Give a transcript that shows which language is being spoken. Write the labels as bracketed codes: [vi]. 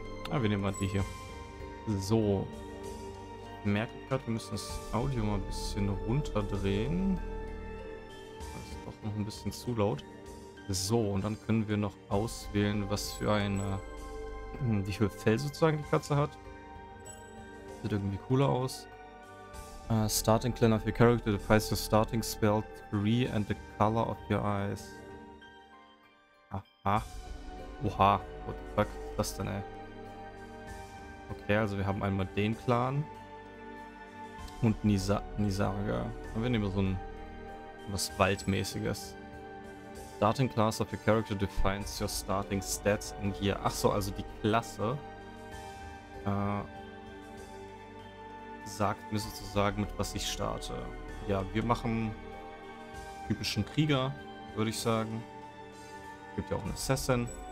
[de] Ah, wir nehmen mal die hier. So. Ich merke gerade, wir müssen das Audio mal ein bisschen runterdrehen. Das ist doch noch ein bisschen zu laut. So, und dann können wir noch auswählen, was für eine, wie viel Fell sozusagen die Katze hat. Sieht irgendwie cooler aus. [en] Starting clan of your character defies your starting spell 3 and the color of your eyes. [de] Aha. Oha. [en] What the fuck? [de] Was denn, ey? Okay, also wir haben einmal den Clan und Nisarga. Wir nehmen so ein was Waldmäßiges. [en] Starting class of your character defines your starting stats in here. [de] Achso, also die Klasse sagt mir sozusagen, mit was ich starte. Ja, wir machen typischen Krieger, würde ich sagen. Gibt ja auch einen Assassin.